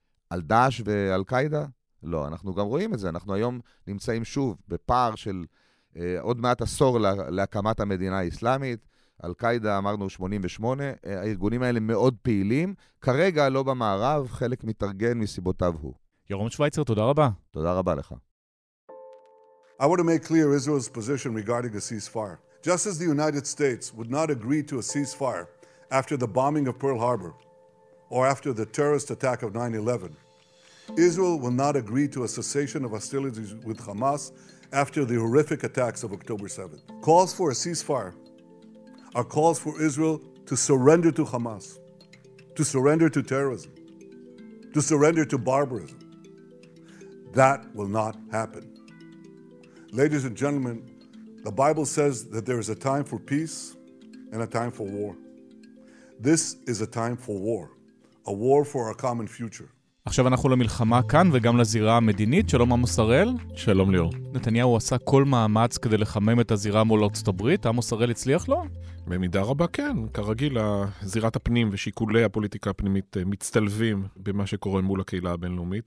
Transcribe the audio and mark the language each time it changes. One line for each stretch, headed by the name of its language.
Hebrew: על דאש ועל קיידה? לא, אנחנו גם רואים את זה. אנחנו היום נמצאים שוב בפער של עוד מעט עשור להקמת המדינה האסלאמית, אל-קאידה אמרנו 88, הארגונים האלה מאוד פעילים, כרגע לא במערב, חלק מתארגן מסיבותיו הוא. ירום שווייצר, תודה רבה. תודה רבה לך.
English: I want to make clear Israel's position regarding a ceasefire. Just as the United States would not agree to a ceasefire after the bombing of Pearl Harbor or after the terrorist attack of 9/11, Israel will not agree to a cessation of hostilities with Hamas after the horrific attacks of October 7th. Calls for a ceasefire are calls for Israel to surrender to Hamas, to surrender to terrorism, to surrender to barbarism. That will not happen. Ladies and gentlemen, the Bible says that there is a time for peace and a time for war. This is a time for war, a war for our common future.
Hebrew: עכשיו אנחנו למלחמה כאן וגם לזירה המדינית. שלום עמוס הראל. שלום ליאור. נתניהו עשה כל מאמץ כדי לחמם את הזירה מול ארצות הברית. עמוס הראל הצליח לו? במידה רבה כן. כרגיל, זירת הפנים ושיקולי הפוליטיקה הפנימית מצטלבים במה שקורה מול הקהילה הבינלאומית.